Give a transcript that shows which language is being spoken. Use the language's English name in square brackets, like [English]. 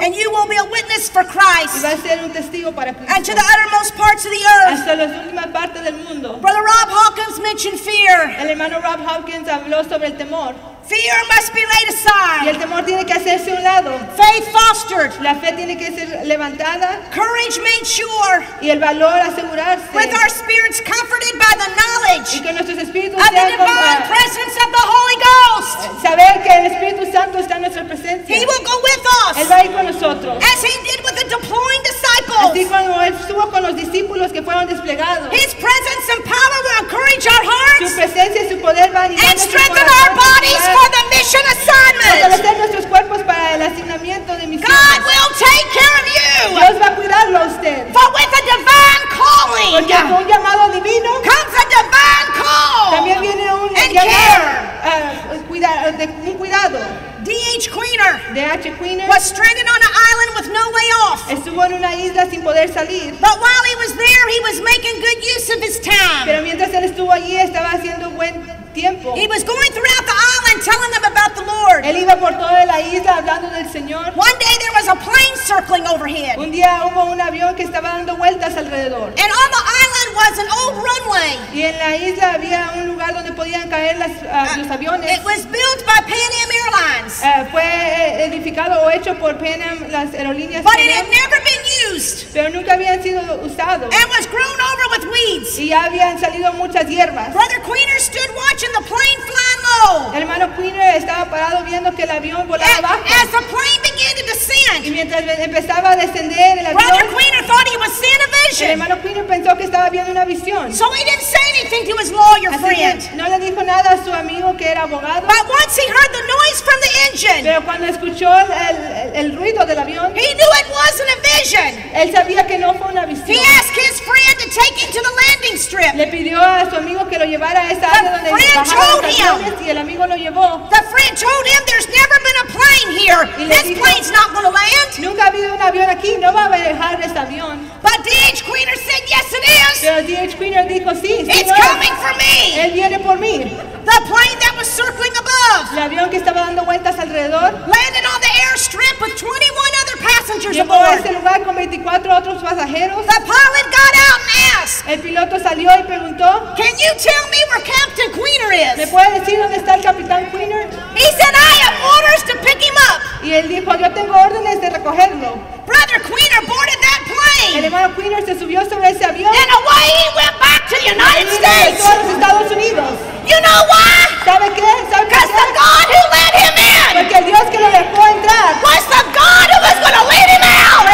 [English] And you will be a witness for Christ. [Spanish] Y va a ser un testigo para Cristo. [English] And to the uttermost parts of the earth. [Spanish] Hasta las últimas partes del mundo. [English] Brother Rob Hawkins mentioned fear. [Spanish] El hermano Rob Hawkins habló sobre el temor. [English] Fear must be laid aside. [Spanish] Y el temor tiene que hacerse a un lado. [English] Faith fostered. [Spanish] La fe tiene que ser levantada. [English] Courage made sure. [Spanish] Y el valor asegurarse. [English] With our spirits comforted by the knowledge. [Spanish] Y con nuestros espíritus [English] of the divine presence of the Holy Ghost. [Spanish] Saber que el Espíritu Santo está en nuestra presencia. [English] He will go with us. [Spanish] Él va a ir con nosotros. [English] As he did with the deploying disciples. [Spanish] Así como él estuvo con los discípulos que fueron desplegados. [English] His presence and power will encourage our hearts. [Spanish] Su presencia y su poder van a animar nuestros corazones. [English] And strengthen our bodies. For the mission assignment. [Spanish] Fortalecer nuestros cuerpos para el asignamiento de misión. [English] God will take care of you. [Spanish] Dios va a cuidarlo a usted. [English] For with a divine calling. [Spanish] Porque con un llamado divino. [English] Comes a divine call. [Spanish] También viene un [English] and [Spanish] llamado. [English] And care. [Spanish] Un cuidado. [English] D.H. Queener. [Spanish] D.H. Queener. [English] Was stranded on an island with no way off. [Spanish] Estuvo en una isla sin poder salir. [English] But while he was there, he was making good use of his time. [Spanish] Pero mientras él estuvo allí, estaba haciendo buen. [English] He was going throughout the island telling them about the Lord. [Spanish] Él iba por toda la isla hablando del Señor. [English] One day there was a plane circling overhead. [Spanish] Un día hubo un avión que estaba dando vueltas alrededor. [English] And on the island was an old runway. [Spanish] Y en la isla había un lugar donde podían caer las, los aviones. [English] It was built by Pan Am Airlines. [Spanish] Fue edificado o hecho por Pan Am, las aerolíneas. [English] But it had never been used. [Spanish] Pero nunca habían sido usados. [English] And was grown over with weeds. [Spanish] Y habían salido muchas hierbas. [English] Brother Queener stood watching. And the plane flying low. [Spanish] El hermano Queener estaba parado viendo que el avión volaba bajo. [English] As the plane began to descend. [Spanish] Y mientras empezaba a descender el avión. [English] Brother Queener thought he was seeing a vision. [Spanish] El hermano Queener pensó que estaba viendo una visión. [English] So he didn't say anything to his lawyer friend. [Spanish] No le dijo nada a su amigo que era abogado. [English] But once he heard the noise from the engine. [Spanish] Pero cuando escuchó el ruido del avión. [English] He knew it wasn't a vision. vision. [Spanish] Él sabía que no fue una visión. [English] He asked his friend to take him to the landing strip. [Spanish] Le pidió a su amigo que lo llevara a esa área donde bajaban los aviones y el amigo lo llevó. [English] The friend told him, "There's never been a plane here. This [Spanish] dijo, [English] plane's not going to land." [Spanish] Nunca ha habido un avión aquí. No va a dejar este avión. [English] But D.H. Queener said, "Yes, it is." [Spanish] Pero D.H. Queener dijo, sí. [English] It's coming for me. [Spanish] Él viene por mí. [English] The plane that was circling above. [Spanish] El avión que estaba dando vueltas alrededor. [English] Landed on the airstrip with 21 other passengers [Spanish] llegó [English] aboard. [Spanish] A ese lugar con 24 otros pasajeros. [English] The pilot got out and asked. [Spanish] El piloto salió y preguntó. [English] Can you tell me where Captain Queener is? [Spanish] ¿Me puede decir dónde está el Capitán Queener? [English] He said, I have orders to pick him up. [Spanish] Y él dijo, yo tengo órdenes de recogerlo. [English] Brother Queener boarded that plane. [Spanish] El hermano Queener se subió sobre ese avión. [English] And away he went back to the United States. [Spanish] A los Estados Unidos. [English] You know why? [Spanish] ¿Sabe qué? ¿Sabe qué? [English] Because the God who let him in. [Spanish] Porque el Dios que lo dejó entrar. [English] Was the God who was going to lead him out.